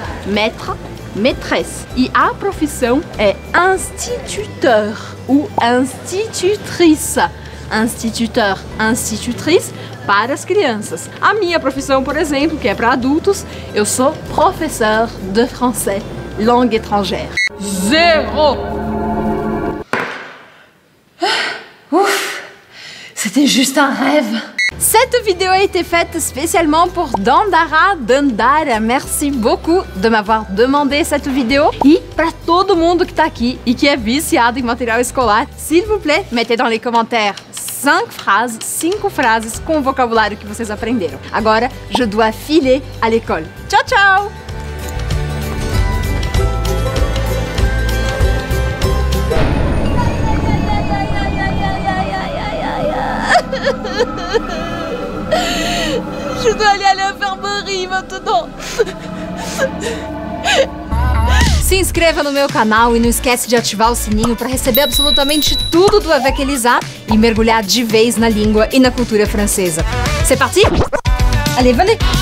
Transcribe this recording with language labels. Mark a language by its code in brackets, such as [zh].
[fr] Maître, maîtresse. [pt] E a profissão é [fr] instituteur ou institutrice. [pt] Instituteur, institutrice, para as crianças. A minha profissão, por exemplo, que é para adultos, eu sou [fr] professeur de français, langue étrangère. Zéro! Ouf, c'était juste un rêve. Cette vidéo a été faite spécialement pour Dandara. Dandara, merci beaucoup de m'avoir demandé cette vidéo. [pt] E para todo mundo que está aqui e que é viciado em material escolar, [fr] s'il vous plaît, mettez dans les commentaires [pt] cinco frases com o vocabulário que vocês aprenderam. Agora, [fr] je dois filer à l'école. [pt] Tchau, tchau! [fr] Je dois aller à l'infirmerie maintenant. [pt] Se inscreva no meu canal e não esquece de ativar o sininho para receber absolutamente tudo do Avec Elisa e mergulhar de vez na língua e na cultura francesa. [fr] C'est parti? Allez, venez!